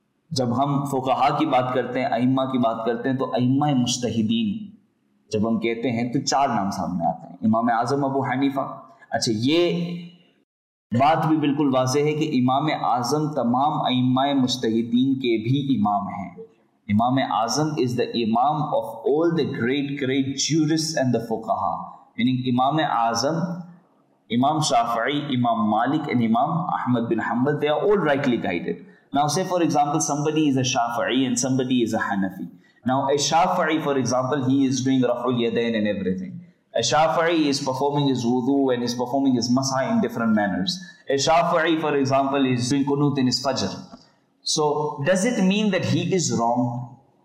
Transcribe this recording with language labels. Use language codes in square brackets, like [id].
[ur] جب ہم فقہا کی بات کرتے ہیں, ائمہ کی بات کرتے ہیں, تو ائمہ مجتہدین جب ہم کہتے ہیں تو چار نام سامنے آتے ہیں. امام اعظم ابو حنیفہ. اچھا یہ بات بھی بالکل واضح ہے کہ امام اعظم تمام ائمہ مجتہدین کے بھی امام ہیں. [en] امام اعظم is the امام of all the great great jurist and the فقہا, میننگ امام اعظم, امام شافعی, امام مالک اینڈ امام احمد بن حنبل, they are all rightly guided. Now say for example, somebody is a Shafi'i and somebody is a Hanafi. Now a Shafi'i for example, he is doing Raf'ul Yadain and everything. A Shafi'i is performing his wudu and is performing his masah in different manners. A Shafi'i for example is doing kunut in his fajr. So does it mean that he is wrong?